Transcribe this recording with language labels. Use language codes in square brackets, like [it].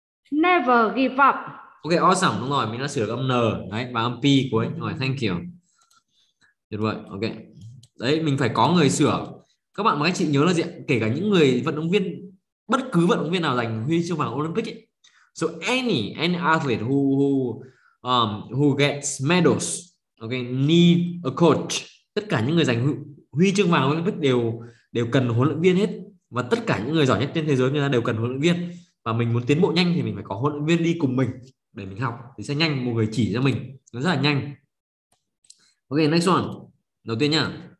[en] Never give up. Ok, awesome. [vi] Đúng rồi. Mình đã sửa được âm N. Đấy. Và âm P cuối. Đúng rồi. Thank you. Được rồi. Ok. Đấy. Mình phải có người sửa. Các bạn và các chị nhớ là gì ạ? Kể cả những người vận động viên, bất cứ vận động viên nào giành huy chương vàng Olympic ấy. [en] So any athlete who gets medals, ok, need a coach. [vi] Tất cả những người giành huy chương vàng Olympic đều cần huấn luyện viên hết. Và tất cả những người giỏi nhất trên thế giới, người ta đều cần huấn luyện viên. Và mình muốn tiến bộ nhanh thì mình phải có huấn luyện viên đi cùng mình để mình học thì sẽ nhanh, một người chỉ cho mình nó rất là nhanh. [en] Ok, next one. [vi] Đầu tiên nha.